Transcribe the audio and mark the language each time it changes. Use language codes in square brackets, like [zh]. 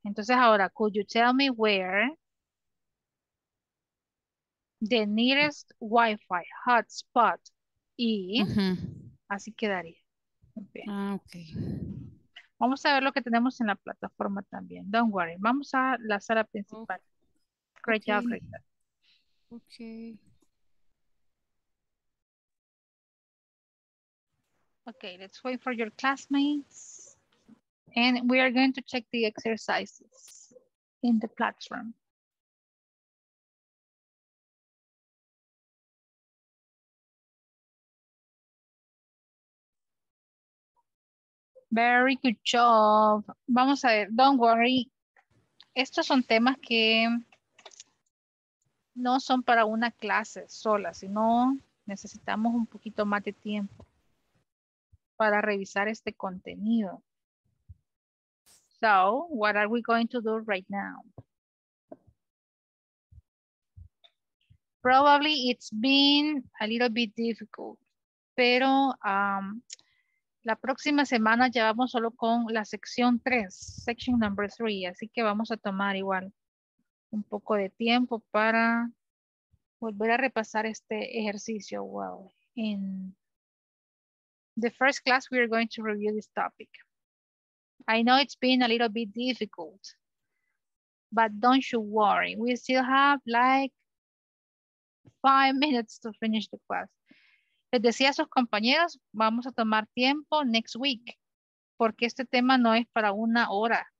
[es] Entonces ahora, [en] could you tell me where the nearest Wi-Fi hotspot is? [es] Uh-huh. Así quedaría. Bien. Ah, okay. Vamos a ver lo que tenemos en la plataforma también. [en] Don't worry. [es] Vamos a la sala principal. [en] Oh, great job, great job. Okay, let's wait for your classmates. And we are going to check the exercises in the platform. Very good job. [es] Vamos a ver, [en] don't worry. [es] Estos son temas que no son para una clase sola, sino necesitamos un poquito más de tiempo para revisar este contenido. [en] So, what are we going to do right now? Probably it's been a little bit difficult, [es] pero la próxima semana ya vamos solo con la sección 3, [en] section number 3, [es] así que vamos a tomar igual un poco de tiempo para volver a repasar este ejercicio. [en] Well, in the first class, we are going to review this topic. I know it's been a little bit difficult, but don't you worry. We still have like 5 minutes to finish the class. [es] Les decía a sus compañeros, vamos a tomar tiempo [en] next week, [es] porque este tema no es para una hora.